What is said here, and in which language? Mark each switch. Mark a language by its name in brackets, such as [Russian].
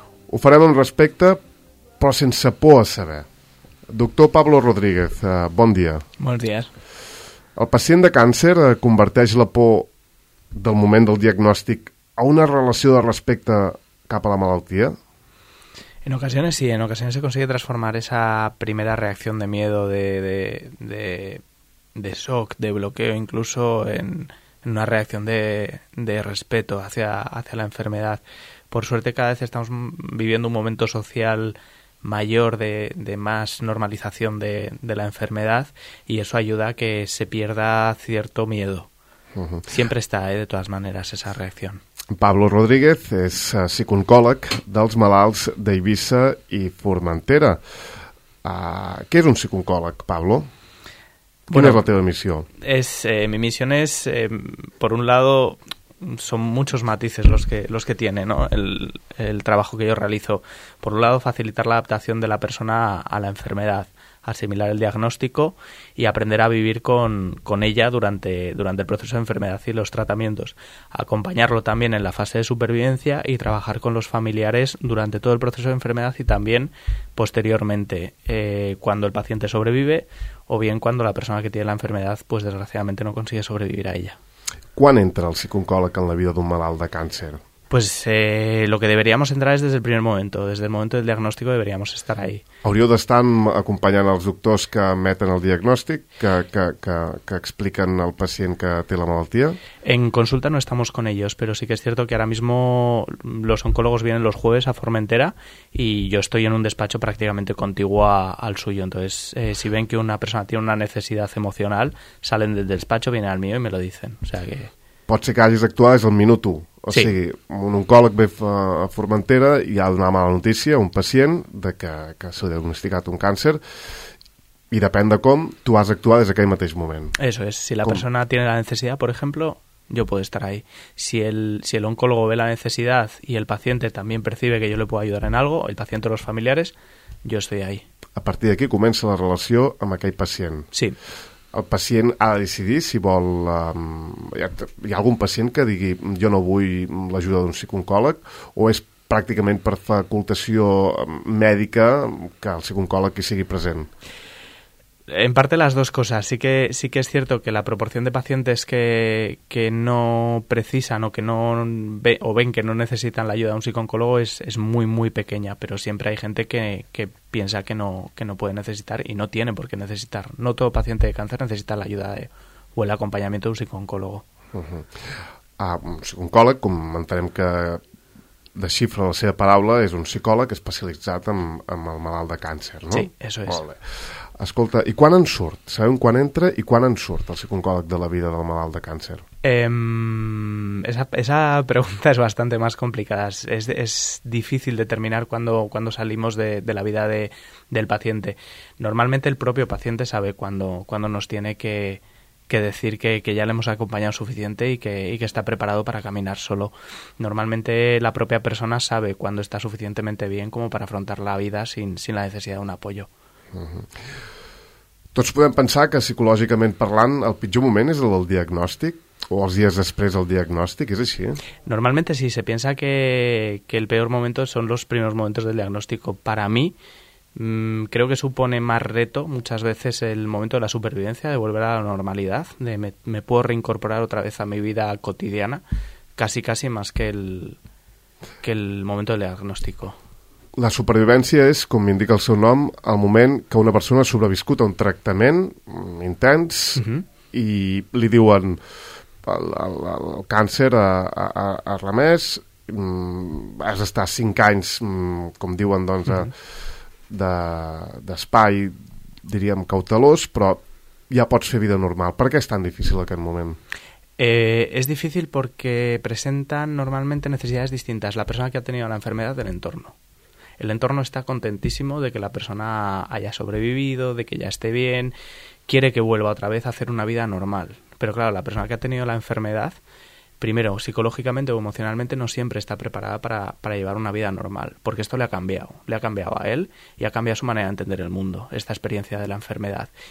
[Catalan] Ho farem amb respecte, però sense por a saber. Doctor Pablo Rodríguez, bon dia. Bon dia. El pacient de càncer converteix la por del moment del diagnòstic a una relació de respecte cap a la malaltia? [Spanish] En ocasiones sí, en ocasiones se consigue transformar esa primera reacción de miedo, de shock, de bloqueo, incluso en una reacción de respeto hacia la enfermedad. Por suerte, cada vez estamos viviendo un momento social mayor de más normalización de la enfermedad, y eso ayuda a que se pierda cierto miedo. Uh-huh. Siempre está, de todas maneras, esa reacción. [Catalan] Pablo Rodríguez és psicooncòleg dels malalts d'Eivissa i Formentera. Què és un psicooncòleg, Pablo? [Spanish] ¿Cuál es [Catalan] la teva [Spanish] misión? Mi misión es, por un lado, son muchos matices los que tiene, ¿no? El trabajo que yo realizo. Por un lado, facilitar la adaptación de la persona a la enfermedad, asimilar el diagnóstico y aprender a vivir con ella durante el proceso de enfermedad y los tratamientos. Acompañarlo también en la fase de supervivencia y trabajar con los familiares durante todo el proceso de enfermedad y también posteriormente, cuando el paciente sobrevive o bien cuando la persona que tiene la enfermedad, pues desgraciadamente no consigue sobrevivir a ella. ¿Cuándo entra el psicooncòleg en la vida de un malalt de cáncer? Pues lo que deberíamos entrar es desde el primer momento. Desde el momento del diagnóstico deberíamos estar ahí. [Catalan] Hauríeu d'estar acompanyant els doctors que emeten el diagnòstic, que expliquen al pacient que té la malaltia? [Spanish] En consulta no estamos con ellos, pero sí que es cierto que ahora mismo los oncólogos vienen los jueves a Formentera y yo estoy en un despacho prácticamente contiguo al suyo. Entonces, si ven que una persona tiene una necesidad emocional, salen del despacho, vienen al mío y me lo dicen. O sea que... [Catalan] Pot ser que hagis d'actuar des del minut 1. O sigui, un oncòleg ve a Formentera i ha de donar mala notícia a un pacient que s'ha diagnosticat un càncer, i depèn de com, tu has d'actuar des d'aquell mateix moment. [Spanish] Eso es. Si la persona tiene la necesidad, por ejemplo, yo puedo estar ahí. Si el oncólogo ve la necesidad y el paciente también percibe que yo le puedo ayudar en algo, el paciente o los familiares, yo estoy ahí. [Catalan] A partir d'aquí comença la relació amb aquell pacient. Sí. El pacient ha de decidir si vol... Hi ha algun pacient que digui jo no vull l'ajuda d'un psicooncòleg, o és pràcticament per facultació mèdica que el psicooncòleg hi sigui present? [Spanish] En parte las dos cosas. Sí que es cierto que la proporción de pacientes que no precisan o que no ven que no necesitan la ayuda de un psicooncólogo es muy, muy pequeña, pero siempre hay gente que piensa que no puede necesitar y no tiene por qué necesitar. No todo paciente de cáncer necesita la ayuda o el acompañamiento de un psicooncólogo. Uh-huh. [Catalan] Un psicooncòleg, com entenem que desxifra la seva paraula, és un psicòleg especialitzat en el malalt de càncer, no? [Spanish] Sí, eso es. [Catalan] Molt bé. Escolta, i quan en surt? Sabem quan entra i quan en surt el psicooncòleg de la vida del malalt de càncer? [Spanish] Esa pregunta es bastante más complicada. Es difícil determinar cuando salimos de la vida del paciente. Normalmente el propio paciente sabe cuando nos tiene que decir que ya le hemos acompañado suficiente y que está preparado para caminar solo. Normalmente la propia persona sabe cuándo está suficientemente bien como para afrontar la vida sin la necesidad de un apoyo. [Catalan] Tots podem pensar que psicològicament parlant el pitjor moment és el del diagnòstic o els dies després del diagnòstic, és així? [Spanish] Normalmente sí, se piensa que el peor momento son los primeros momentos del diagnóstico. Para mí, creo que supone más reto muchas veces el momento de la supervivencia, de volver a la normalidad, de me puedo reincorporar otra vez a mi vida cotidiana, casi casi más que el momento del diagnóstico. [Catalan] La supervivència és, com indica el seu nom, el moment que una persona ha sobreviscut a un tractament intens i li diuen el càncer ha remès, has d'estar 5 anys, com diuen, doncs, d'espai, diríem, cautelós, però ja pots fer vida normal. Per què és tan difícil aquest moment? [Spanish] Es difícil porque presentan normalmente necesidades distintas la persona que ha tenido la enfermedad del entorno. El entorno está contentísimo de que la persona haya sobrevivido, de que ya esté bien, quiere que vuelva otra vez a hacer una vida normal. Pero claro, la persona que ha tenido la enfermedad, primero, psicológicamente o emocionalmente, no siempre está preparada para llevar una vida normal, porque esto le ha cambiado a él y ha cambiado su manera de entender el mundo, esta experiencia de la enfermedad.